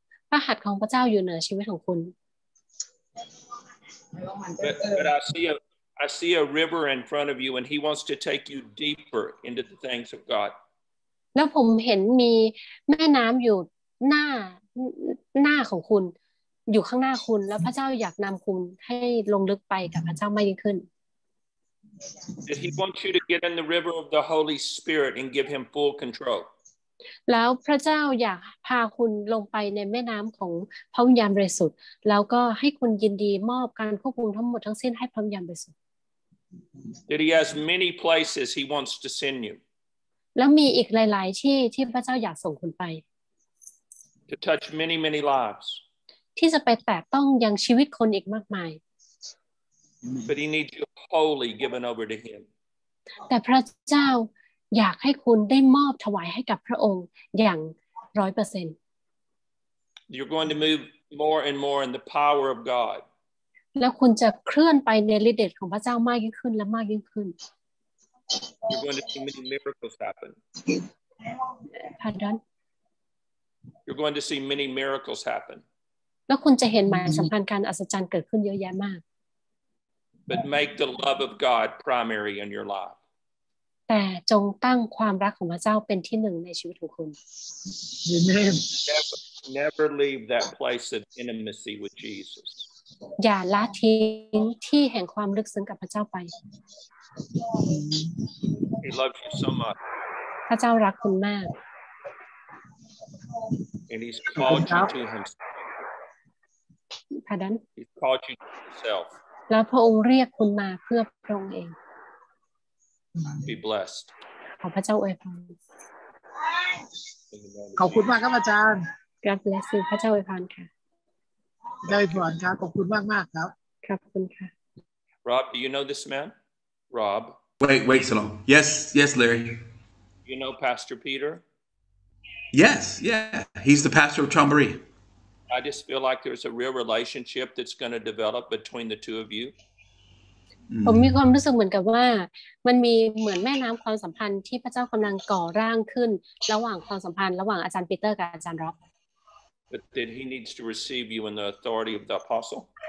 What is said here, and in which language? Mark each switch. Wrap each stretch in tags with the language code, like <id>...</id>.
<th>พระหัตถ์ของพระเจ้าอยู่เหนือชีวิตของคุณ</th> <en>But I see a river in front of you, and He wants to take you deeper into the things of God.</en> <th>แล้วผมเห็นมีแม่น้ำอยู่หน้าของคุณอยู่ข้างหน้าคุณแล้วพระเจ้าอยากนำคุณให้ลงลึกไปกับพระเจ้ามากยิ่งขึ้น</th> <en>Did He want you to get in the river of the Holy Spirit and give Him full control?</en> <th>แล้วพระเจ้าอยากพาคุณลงไปในแม่น้ำของพระวิญญาณบริสุทธิ์แล้วก็ให้คุณยินดีมอบการควบคุมทั้งหมดทั้งสิ้นให้พระวิญญาณบริสุทธิ์</th> <en>That he has many places he wants to send you</en> <th>แล้วมีอีกหลายๆที่พระเจ้าอยากส่งคุณไป</th> <en>To touch many many lives</en> <th>ที่จะไปแตะต้องยังชีวิตคนอีกมากมาย</th> <en>But he needs you wholly given over to him</en> <th>แต่พระเจ้าอยากให้คุณได้มอบถวายให้กับพระองค์อย่าง 100%</th> <en>You're going to move more and more in the power of God.</en> <th>แล้วคุณจะเคลื่อนไปในฤทธิ์เดชของพระเจ้ามากยิ่งขึ้นและมากยิ่งขึ้น</th> <en>You're going to see many miracles happen. Pardon? You're going to see many miracles happen.</en> <th>แล้วคุณจะเห็นหมายสำคัญการอัศจรรย์เกิดขึ้นเยอะแยะมาก</th> <en>But make the love of God primary in your life.</en> <th>แต่จงตั้งความรักของพระเจ้าเป็นที่หนึ่งในชีวิตของคุณ</th> <en>Amen. Never leave that place of intimacy with Jesus.</en> <th>อย่าละทิ้งที่แห่งความลึกซึ้งกับพระเจ้าไป</th> <en>He loves you so much.</en> <th>พระเจ้ารักคุณมาก</th> <en>And he's called you to himself. Pardon? He's called you to himself.</en> <th>แล้วพระองค์เรียกคุณมาเพื่อพระองค์เอง</th> <en>Be blessed.</en> <th>ขอบพระเจ้าอวยพร ขอบคุณมากครับอาจารย์</th> <en>God bless you</en> <th>พระเจ้าอวยพรค่ะ ได้พรครับขอบคุณมากมากครับ ขอบคุณค่ะ</th> <en>Rob, do you know this man? Rob. Wait so long. Yes, yes, Larry. You know Pastor Peter? Yes, yeah. He's the pastor of Chambéry. I just feel like there's a real relationship that's going to develop between the two of you.</en> <th>ผมมีความรู้สึกเหมือนกับว่ามันมีเหมือนแม่น้ำความสัมพันธ์ที่พระเจ้ากำลังก่อร่างขึ้นระหว่างความสัมพันธ์ระหว่างอาจารย์ปีเตอร์กับอาจารย์ร็อบ</th> <en>But then he needs to receive you in the authority of the apostle</en>